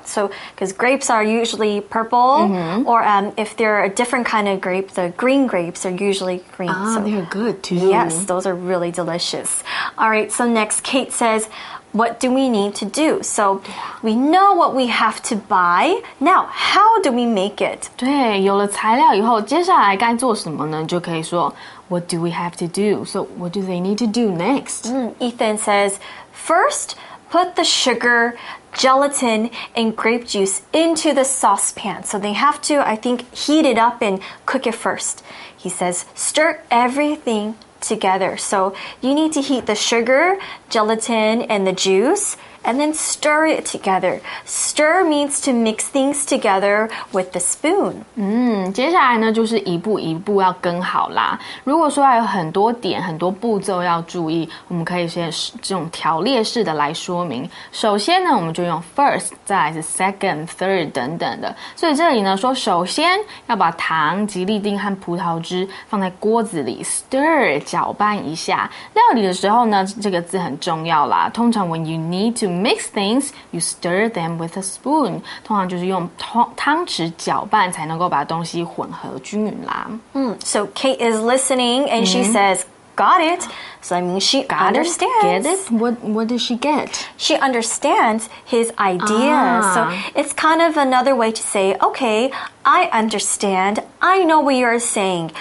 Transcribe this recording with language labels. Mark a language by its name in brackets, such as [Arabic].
[English] So, because grapes are usually purple, or if they're a different kind of grape, the green grapes are usually green. Ah, so, they're good too. Yes, those are really delicious. All right. So next, Kate says. What do we need to do? So, we know what we have to buy. Now, how do we make it? [Chinese] 对，有了材料以后，接下来该做什么呢？就可以说 [English] what do we have to do? So, what do they need to do next? Ethan says, first, put the sugar, gelatin, and grape juice into the saucepan. So, they have to, I think, heat it up and cook it first. He says, stir everything together. So you need to heat the sugar, gelatin, and the juice, and then stir it together. Stir means to mix things together with the spoon. [Chinese] 接下来呢就是一步一步要跟好啦。如果说有很多点很多步骤要注意，我们可以先这种条列式的来说明。首先呢我们就用 first, 再来是 second, third, 等等的。所以这里呢说首先要把糖、吉利丁和葡萄汁放在锅子里 stir, 搅拌一下。料理的时候呢这个字很重要啦。通常 [English] when you need to mix things, you stir them with a spoon. [Chinese] 通常就是用汤匙搅拌才能够把东西混合均匀啦。 [English] So Kate is listening and she says, got it. So I mean she understands. Get it? What does she get? She understands his idea. So it's kind of another way to say, okay, I understand. I know what you're saying.